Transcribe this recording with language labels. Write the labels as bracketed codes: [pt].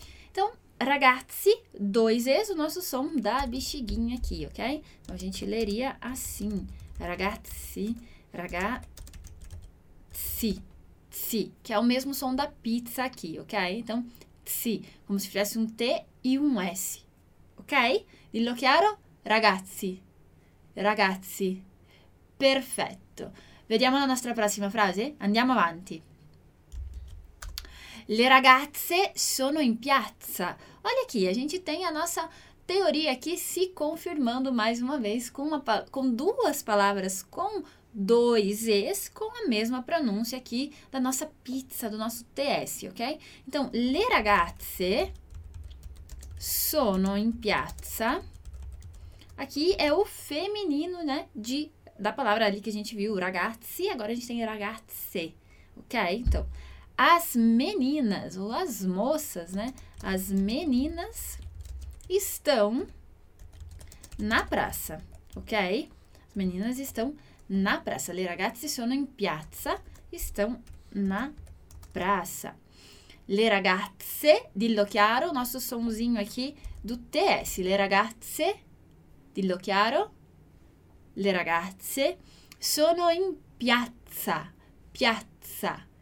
[pt] Então, ragazzi, dois Es, o nosso som da bexiguinha aqui, ok? Então, a gente leria assim. Ragazzi, ragazzi, tsi, que é o mesmo som da pizza aqui, ok? Então, tsi, como se fizesse um T e um S, ok? [it] Dillo chiaro? Ragazzi, ragazzi, perfetto. Vediamo la nostra prossima frase? Andiamo avanti. Le ragazze sono in piazza. [pt] Olha aqui, a gente tem a nossa teoria aqui se confirmando mais uma vez com duas palavras com dois Es com a mesma pronúncia aqui da nossa pizza, do nosso TS, ok? [it] Então, le ragazze sono in piazza. [pt] Aqui é o feminino, né, da palavra ali que a gente viu, ragazzi, agora a gente tem ragazze, ok? Então, as meninas, ou as moças, né, as meninas estão na praça, ok? Meninas estão na praça. [it] Le ragazze sono in piazza. [pt] Estão na praça. [it] Le ragazze, dillo chiaro, [pt] nosso somzinho aqui do TS. [it] Le ragazze, dillo chiaro. Le ragazze sono in piazza. Piazza.